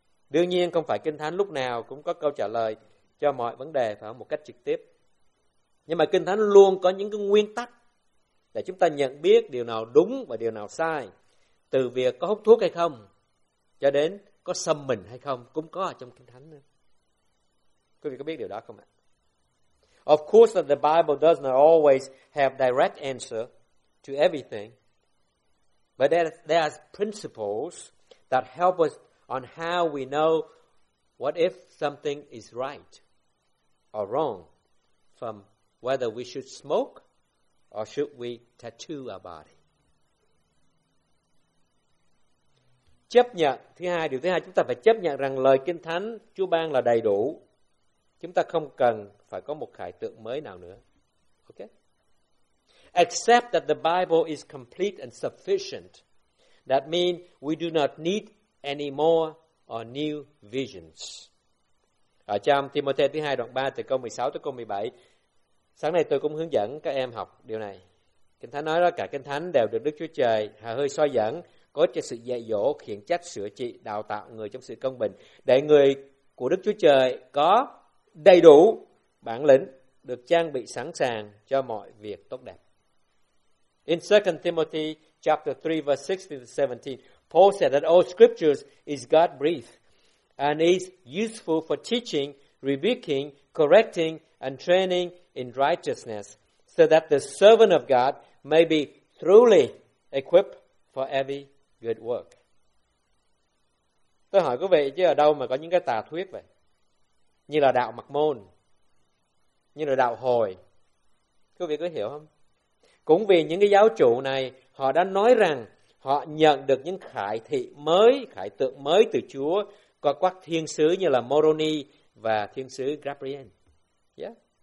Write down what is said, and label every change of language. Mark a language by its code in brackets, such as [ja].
[vi] Đương nhiên không phải Kinh Thánh lúc nào cũng có câu trả lời cho mọi vấn đề phải một cách trực tiếp. Nhưng mà Kinh Thánh luôn có những cái nguyên tắc để chúng ta nhận biết điều nào đúng và điều nào sai. Từ việc có hút thuốc hay không, cho đến có xâm mình hay không, cũng có ở trong Kinh Thánh nữa. Quý vị có biết điều đó không ạ? [en] Of course that the Bible does not always have direct answer to everything, but there are principles that help us on how we know what if something is right or wrong, from whether we should smoke or should we tattoo our body. [vi] Chấp nhận, thứ hai, điều thứ hai, chúng ta phải chấp nhận rằng lời Kinh Thánh Chúa ban là đầy đủ. Chúng ta không cần phải có một khải tượng mới nào nữa. [en] Okay? Accept that the Bible is complete and sufficient. That means we do not need any more or new visions. [vi] Ở trong Timothée thứ 2 đoạn 3 từ câu 16 tới câu 17. Sáng nay tôi cũng hướng dẫn các em học điều này. Kinh Thánh nói đó, cả Kinh Thánh đều được Đức Chúa Trời hà hơi soi dẫn, có cho sự dạy dỗ, khiển trách, sửa trị, đào tạo người trong sự công bình, để người của Đức Chúa Trời có đầy đủ bản lĩnh, được trang bị sẵn sàng cho mọi việc tốt đẹp. [en] In 2 Timothy chapter 3 verse 16 to 17, Paul said that all scriptures is God-breathed and is useful for teaching, rebuking, correcting and training in righteousness, so that the servant of God may be thoroughly equipped for every good work. [vi] Tôi hỏi quý vị, chứ ở đâu mà có những cái tà thuyết vậy? Như là đạo mặc môn, như là đạo hồi. Quý vị có hiểu không? Cũng vì những cái giáo chủ này, họ đã nói rằng họ nhận được những khải thị mới, khải tượng mới từ Chúa qua các thiên sứ như là Moroni và thiên sứ Gabriel. Yeah.